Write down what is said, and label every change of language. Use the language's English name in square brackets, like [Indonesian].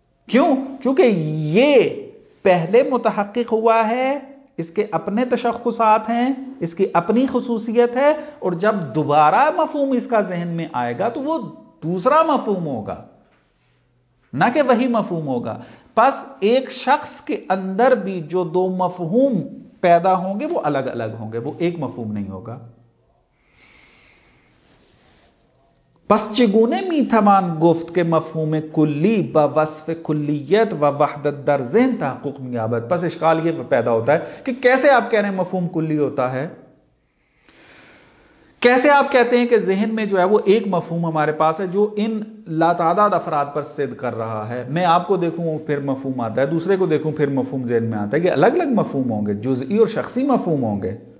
[Urdu] کیوں؟ کیونکہ یہ پہلے متحقق ہوا ہے، اس کے اپنے تشخصات ہیں، اس کی اپنی خصوصیت ہے، اور جب دوبارہ مفہوم اس کا ذہن میں آئے گا تو وہ دوسرا مفہوم ہوگا، نہ کہ وہی مفہوم ہوگا. پس ایک شخص کے اندر بھی جو دو مفہوم پیدا ہوں گے وہ الگ الگ ہوں گے، وہ ایک مفہوم نہیں ہوگا. [Persian] پس چگونے می توان گفت کہ مفہوم کلی با وصف کلیت و وحدت در ذہن تحقق می یابد. [Urdu] پس اشکال یہ پیدا ہوتا ہے کہ کیسے آپ کہہ رہے ہیں مفہوم کلی ہوتا ہے، کیسے آپ کہتے ہیں کہ ذہن میں جو ہے وہ ایک مفہوم ہمارے پاس ہے جو ان لاتعداد افراد پر صدق کر رہا ہے. میں آپ کو دیکھوں پھر مفہوم آتا ہے، دوسرے کو دیکھوں پھر مفہوم ذہن میں آتا ہے، کہ الگ الگ مفہوم ہوں گے، جزئی اور شخصی مفہوم ہوں گے.